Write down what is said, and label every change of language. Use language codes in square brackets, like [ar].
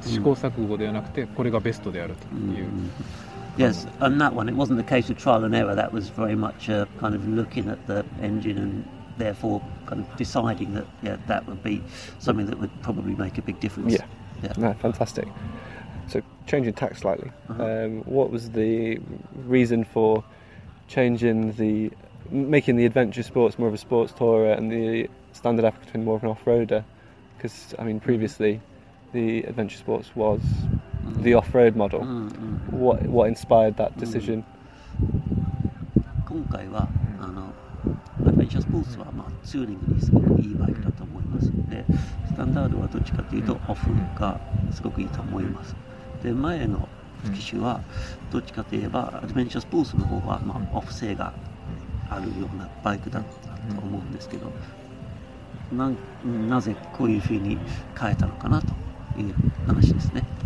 [ja] 試行錯誤ではなくて、これがベストであるという。 [en] Yes, and that one, it wasn't a case of trial and error. That was very much a kind of looking at the engine and therefore kind of deciding that yeah, that would be something that would probably make a big difference. Yeah, yeah. No, fantastic. So changing tack slightly, what was the reason for changing the, making the adventure sports more of a sports tourer and the standard Africa Twin more of an off-roader? Because, I mean, previously the adventure sports was the off-road model. What inspired that decision? [ja] 今回はあのアドベンチャースポーツは、まあ、ツーリングにすごくいいバイクだと思います。でスタンダードはどっちかというとオフがすごくいいと思います。で前の機種はどっちかといえばアドベンチャースポーツの方は、まあ、オフ性があるようなバイクだったと思うんですけど、 なぜこういうふうに変えたのかなという話ですね。